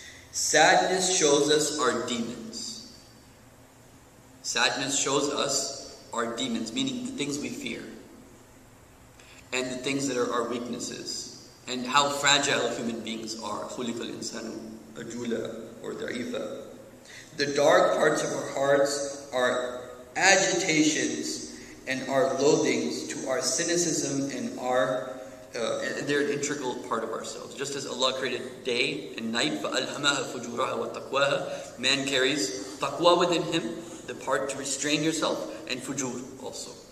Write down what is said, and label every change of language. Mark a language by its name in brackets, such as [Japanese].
[English] Sadness shows us our demons. Sadness shows us our demons, meaning the things we fear. And the things that are our weaknesses. And how fragile human beings are. [Arabic] خُلِقَ الْإِنسَانُ أَجُولَ or ضَعِيفَ. [English] The dark parts of our hearts are agitations and our loathings to our cynicism and our... They're an integral part of ourselves. Just as Allah created day and night, [Arabic] فَأَلْهَمَهَا فُجُورَهَا وَالتَّقْوَهَا. [English] Man carries taqwa within him, the part to restrain yourself, and fujur also.